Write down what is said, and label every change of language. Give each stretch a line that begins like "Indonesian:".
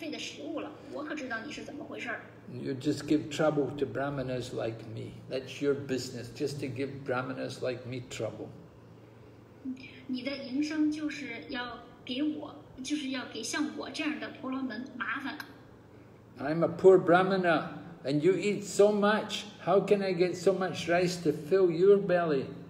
Chinese: 我知道你是怎么回事，你就穿着这一身气绝的衣服，就是为了要满足你的肚腹，啊，就是因为你要穿，就是你穿上了这么一身气绝的衣服，这样你就能够得到免费的食物了。我可知道你是怎么回事。
English: You just give trouble to brahmanas like me. That's your business. Just to give brahmanas like me trouble.
Chinese: 你的营生就是要给我，就是要给像我这样的婆罗门麻烦。
English: I'm a poor brahmana. And you eat so much, how can I get so much rice to fill your belly?